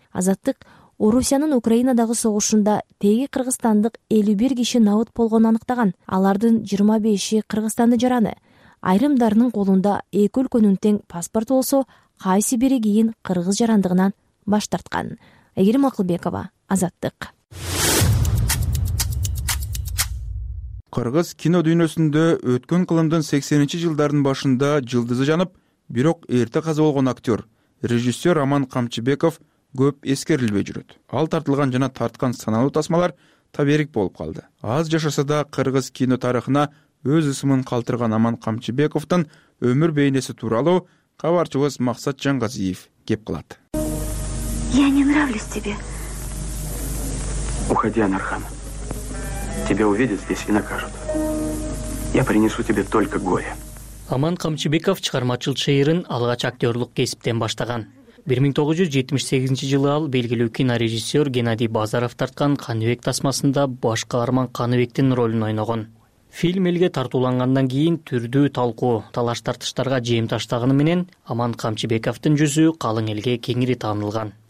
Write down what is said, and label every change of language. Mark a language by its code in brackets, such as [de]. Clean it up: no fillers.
[ky] Азаттык Орусиянын Украинадагы согушунда теги кыргызстандык 51 киши набыт болгонун аныктаган. Алардын 25 Кыргызстанды жараны. Айрымдарынын колунда эки өлкөнүн тең паспорту болсо, кайсы бири кийин кыргыз жарандыгынан баш тарткан. Айгерим Акылбекова, Азаттык. Кыргыз кино дүйнөсүндө өткөн кылымдын 80-жылдардын башында жылдызы жанып, бирок эрте каза болгон актер, режиссер Роман Камчыбеков көп эскерилбей жүрөт. Ал тартылган жана тарткан саналуу тасмалар таберик болуп калды. Аз жашаса да кыргыз кино тарыхына өз ысымын калтырган Роман Камчыбековдун өмүр бейнеси тууралуу кабарчыбыз Максат Жангазиев кеп кылат. [ru] Я не нравлюсь тебе. Уходи, Анархан. Тебя увидят здесь и накажут. Я принесу тебе только горе. [ky] Роман Камчыбеков чыгармачыл чыйырын алгач актерлук кесиптен баштаган. 1978-жылы ал белгилүү кинорежиссер Геннадий Базаров тарткан Каныбек тасмасында баш каарман Каныбектин ролун ойногон. Фильм элге тартуулангандан кийин түрдүү талкуу, талаш тартыштарга жем таштаганы менен Роман Камчыбековдун жүзү калың элге кеңири таанылган.